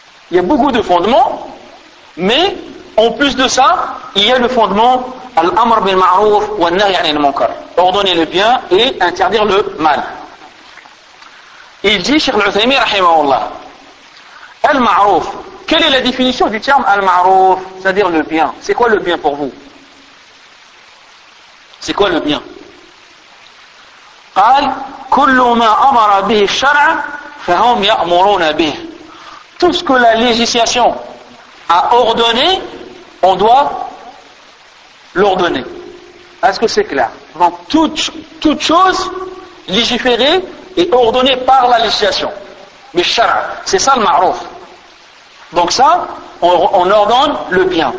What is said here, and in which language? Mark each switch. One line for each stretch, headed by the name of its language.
French: Il y a beaucoup de fondements, mais en plus de ça, il y a le fondement
Arabic: Al-amr bil ma'ruf wa an-nahy 'anil munkar.
French: Ordonner le bien et interdire le mal. Il dit Cheikh Al-Uthaymin rahimahullah. Al-ma'ruf. Quelle est la définition du terme al-ma'ruf, c'est-à-dire le bien? C'est quoi le bien pour vous? C'est quoi le bien?
Arabic: قال كل ما امر به الشرع فهم يأمرون به.
French: Tout ce que la législation a ordonné, on doit l'ordonner. Est-ce que c'est clair? Donc, toute chose légiférée et ordonnée par la législation. Mais shara, c'est ça le ma'ruf. Donc ça, on ordonne le bien.